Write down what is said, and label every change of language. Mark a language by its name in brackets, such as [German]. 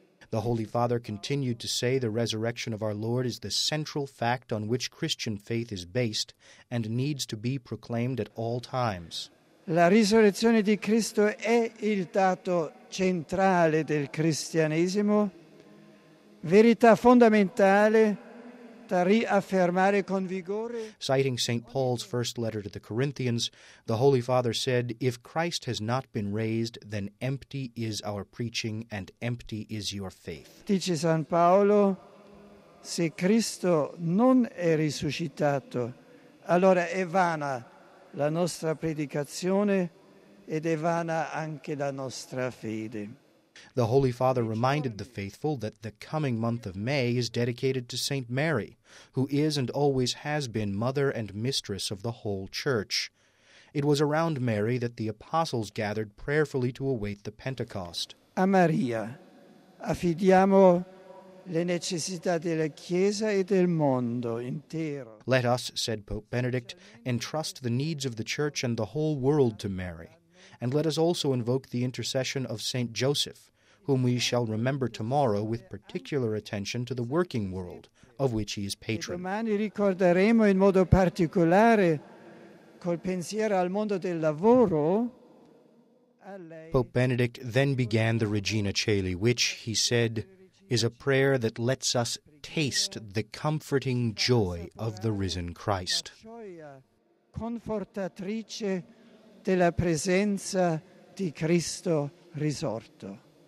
[English] The Holy Father continued to say the resurrection of our Lord is the central fact on which Christian faith is based and needs to be proclaimed at all times. [Italian] La risurrezione di Cristo è il dato centrale del cristianesimo, verità fondamentale. [English] Citing St. Paul's first letter to the Corinthians, the Holy Father said, "If Christ has not been raised, then empty is our preaching and empty is your faith." [Italian] Dice San Paolo, se Cristo non è risuscitato, allora è vana la nostra predicazione ed è vana anche la nostra fede. [English] The Holy Father reminded the faithful that the coming month of May is dedicated to St. Mary, who is and always has been mother and mistress of the whole Church. It was around Mary that the apostles gathered prayerfully to await the Pentecost. [Italian] A Maria affidiamo le necessità della Chiesa e del mondo intero. [English] Let us, said Pope Benedict, entrust the needs of the Church and the whole world to Mary. And let us also invoke the intercession of St. Joseph, whom we shall remember tomorrow with particular attention to the working world, of which he is patron. [Italian] Domani ricorderemo in modo particolare, col pensiero al mondo del lavoro. [English] Pope Benedict then began the Regina Caeli, which, he said, is a prayer that lets us taste the comforting joy of the risen Christ. [Italian] Confortatrice della presenza di Cristo risorto.